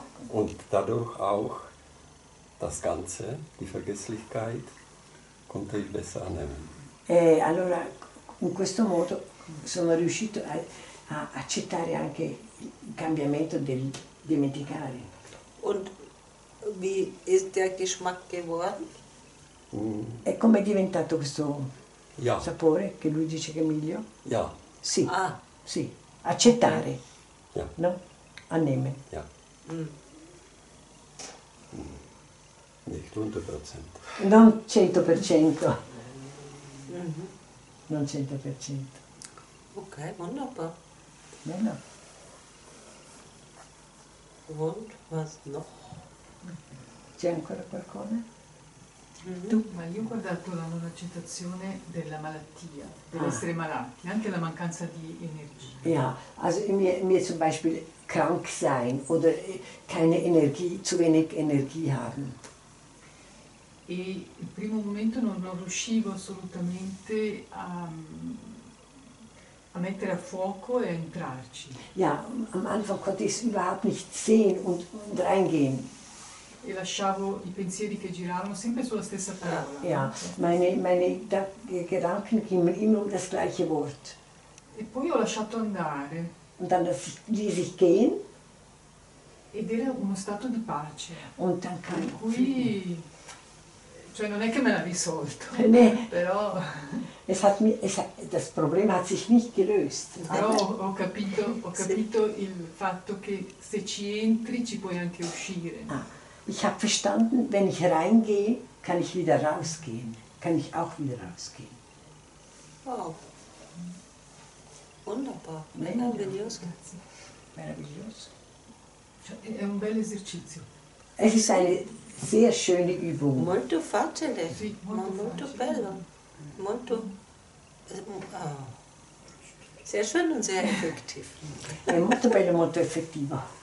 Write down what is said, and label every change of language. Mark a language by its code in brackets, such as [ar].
[de] Und dadurch auch das Ganze, die Vergesslichkeit, konnte ich besser annehmen. [it] E allora in questo modo sono riuscito a accettare anche il cambiamento del dimenticare. [de] Und wie ist der Geschmack geworden? [it] E come è diventato questo sapore che lui dice che è meglio? [de] Ja. [it] Sì. Ah. Sì. Accettare. [de] Ja. No? Annehmen. Ja. Nicht 100%. [it] Non 100%. Non 100%. [de] Ok, wunderbar. [it] Bello. [de] Und was noch? [it] C'è ancora qualcosa? Ma io ho guardato la non accettazione della malattia, dell'essere malati, anche la mancanza di energia. [de] Ja, also mir zum Beispiel krank sein oder keine Energie, zu wenig Energie haben. [it] E il primo momento non riuscivo assolutamente a mettere a fuoco e a entrarci. [de] Ja, am Anfang konnte ich es überhaupt nicht sehen und reingehen. [it] E lasciavo i pensieri che giravano sempre sulla stessa parola. [de] Ja, meine Gedanken gingen immer um das gleiche Wort. [it] E poi ho lasciato andare. [de] Und dann ließ ich gehen. [it] Ed era uno stato di pace. [de] Und dann kam [it] in cui, cioè non è che me l'ha risolto. Nee. Però [de] es hat mir, es, das Problem hat sich nicht gelöst. [it] Però ho capito il fatto che se ci entri ci puoi anche uscire. Ah. [de] Ich habe verstanden, wenn ich reingehe, kann ich wieder rausgehen. Kann ich auch wieder rausgehen. Wow. Wunderbar. Meraviglioso. [it] Meraviglioso. Cioè, è un bel esercizio. [de] Es ist eine sehr schöne Übung. [it] Molto facile. Sì, molto, ma molto facile. Bello. Molto. [de] Sehr schön und sehr effektiv. [it] È molto bello, molto effettivo.